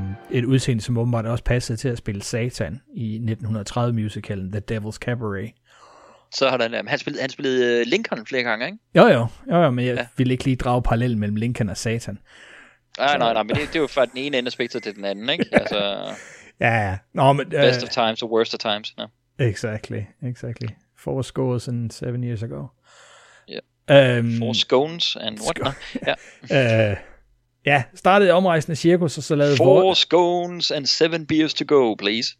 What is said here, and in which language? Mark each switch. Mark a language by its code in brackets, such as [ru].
[da] Et udseende, som åbenbart også passede til at spille Satan i 1930 musicalen The Devil's Cabaret. Så har han spillede Lincoln flere gange, ikke? Jo, men jeg vil ikke lige drage parallel mellem Lincoln og Satan. Nej, men det er jo fra den ene ende af spektret til den anden, ikke? Altså, ja. Nå, men, [en] best of times or worst of times. No. Exactly. Four scores and 7 years ago. Four scones and what? [da] Ja, startede i omrejsende cirkus, og så lavede [en] Four scones and 7 beers to go, please.